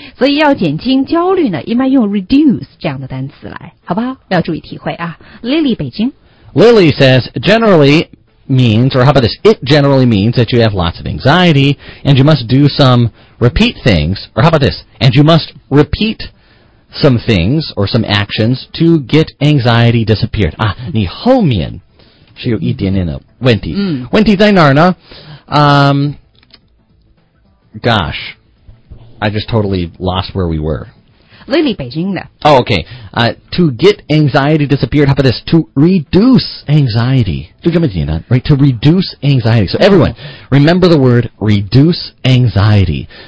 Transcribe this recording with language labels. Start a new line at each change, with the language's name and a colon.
Chinese: 所以要减轻焦虑呢，一般用 reduce 这样的单词来，好不好？要注意体会啊。Lily, 北京。
English: Lily says, generally means, or how about this, it generally means that you have lots of anxiety, and you must do some repeat things, or how about this, and you must repeat some things, or some actions, to get anxiety disappeared.
Chinese: 啊，你后面是有一点点的问题、嗯、问题在哪儿呢、
English: gosh I just totally lost where we were
Chinese: Lily 北京的
English: Oh okay、To get anxiety disappeared How about this To reduce anxiety
Chinese: 就这么简单
English: Right To reduce anxiety So everyone Remember the word Reduce anxiety